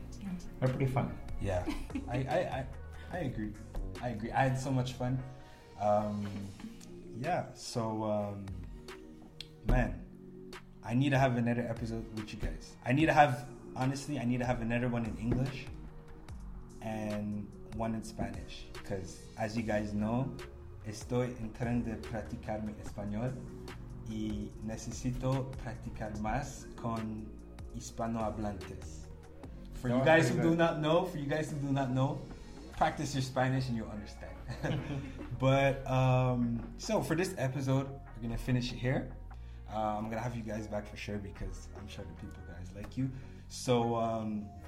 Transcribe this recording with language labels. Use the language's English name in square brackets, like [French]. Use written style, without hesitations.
[English] Yeah. They're pretty fun. Yeah. I agree. I had so much fun. Man, I need to have another episode with you guys. I need to have another one in English. And one in Spanish, because as you guys know, [Spanish] estoy en tren de practicar mi español y necesito practicar más con hispanohablantes. [English] For you guys who do not know, practice your Spanish and you'll understand. But so for this episode, we're gonna finish it here. I'm gonna have you guys back for sure because I'm sure the people guys like you. So.